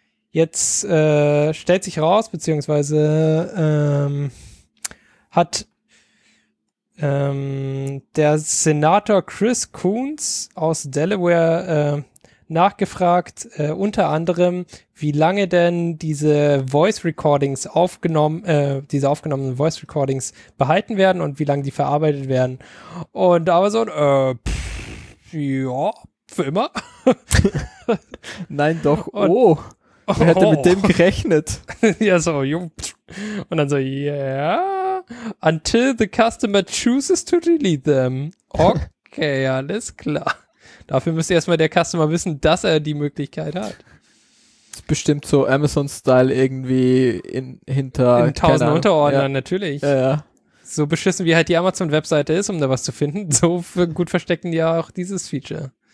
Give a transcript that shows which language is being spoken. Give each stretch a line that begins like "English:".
German: Jetzt stellt sich raus, beziehungsweise hat der Senator Chris Coons aus Delaware nachgefragt, unter anderem, wie lange denn diese aufgenommenen Voice Recordings behalten werden und wie lange die verarbeitet werden. Und Amazon, für immer. Nein, doch, wer hätte mit dem gerechnet? Ja, so, und dann so, yeah.
English: Until the customer chooses to delete them.
German: Okay, alles klar. Dafür müsste erstmal der Customer wissen, dass er die Möglichkeit hat. Das ist bestimmt so Amazon-Style irgendwie in tausend Unterordnern, ja. Natürlich. Ja, ja. So beschissen wie halt die Amazon-Webseite ist, um da was zu finden, so gut verstecken die ja auch dieses Feature.